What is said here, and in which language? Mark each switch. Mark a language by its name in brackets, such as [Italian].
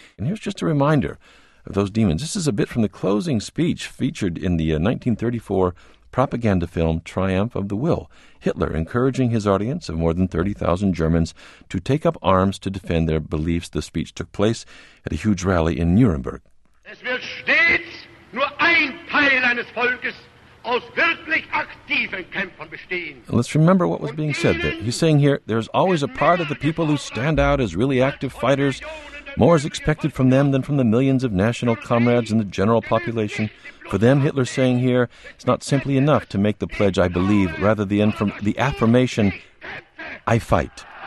[English] And here's just a reminder of those demons. This is a bit from the closing speech featured in the 1934 propaganda film Triumph of the Will. Hitler encouraging his audience of more than 30,000 Germans to take up arms to defend their beliefs. The speech took place at a huge rally in Nuremberg. [German] Es wird stets nur ein Teil eines Volkes aus wirklich aktiven Kämpfern bestehen. [English] And let's remember what was being said there. He's saying here, there's always a part of the people who stand out as really active fighters. More is expected from them than from the millions of national comrades and the general population. For them, Hitler's saying here, it's not simply enough to make the pledge, I believe, rather the affirmation, I fight.